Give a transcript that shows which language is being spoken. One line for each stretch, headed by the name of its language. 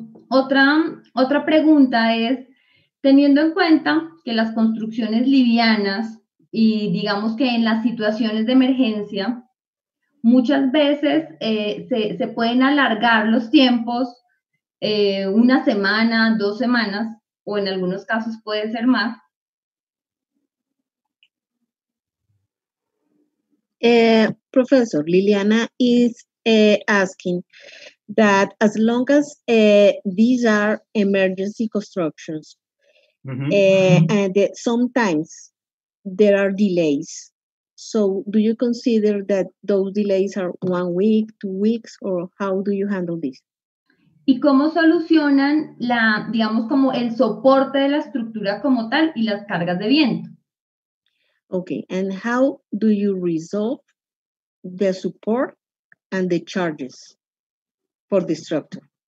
Spanish: Otra pregunta es, teniendo en cuenta que las construcciones livianas y digamos que en las situaciones de emergencia, muchas veces se pueden alargar los tiempos una semana, dos semanas, o en algunos casos puede ser más.
English: Professor, Liliana is asking that as long as these are emergency constructions, and sometimes there are delays. So do you consider that those delays are 1 week, 2 weeks, or how do you handle this?
Spanish: ¿Y cómo solucionan la, digamos, como el soporte de la estructura como tal y las cargas de viento?
English: Okay, and how do you resolve the support and the charges for the structure?